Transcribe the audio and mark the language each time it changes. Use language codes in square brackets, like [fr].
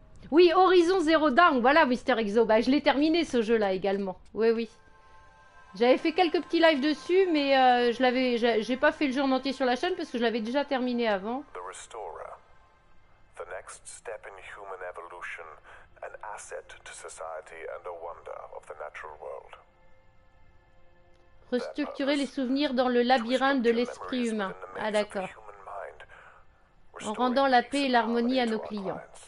[fr] Oui, Horizon Zero Dawn, voilà Mister Exo. Bah, je l'ai terminé ce jeu-là également. Oui. J'avais fait quelques petits lives dessus, mais j'ai pas fait le jeu en entier sur la chaîne parce que je l'avais déjà terminé avant. [en] The Restorer. The next step in human evolution. An asset to society and a wonder of the natural world. [fr] Restructurer les souvenirs dans le labyrinthe de l'esprit humain. Ah, d'accord. En rendant la paix et l'harmonie à nos clients.